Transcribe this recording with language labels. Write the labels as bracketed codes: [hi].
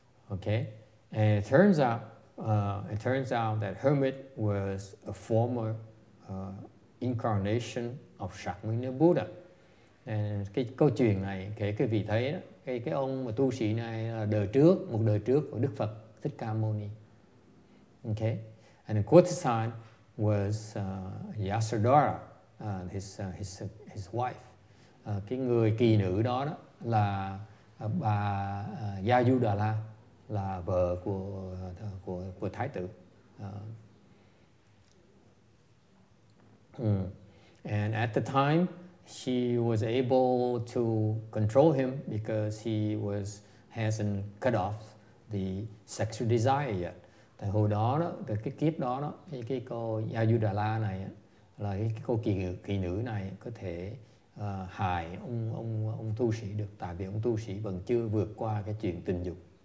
[en] Okay, and it turns out that hermit was a former incarnation of Shakyamuni Buddha. [vi] And cái câu chuyện này kể cái vị thấy đó, cái ông mà tu sĩ này là đời trước, một đời trước của Đức Phật Thích Ca Mâu Ni. [en] Okay, and the courtesan was Yasodhara, his wife. [vi] Cái người kỳ nữ đó đó là bà Yayudhara, là vợ của thái tử. [en] And at the time, she was able to control him because he hasn't cut off the sexual desire yet. [vi] Tại hồi đó, từ cái kiếp đó, cái cô Yayudhara này, là cái cô kỳ nữ này có thể hại ông tu sĩ được, tại vì ông tu sĩ vẫn chưa vượt qua cái chuyện tình dục.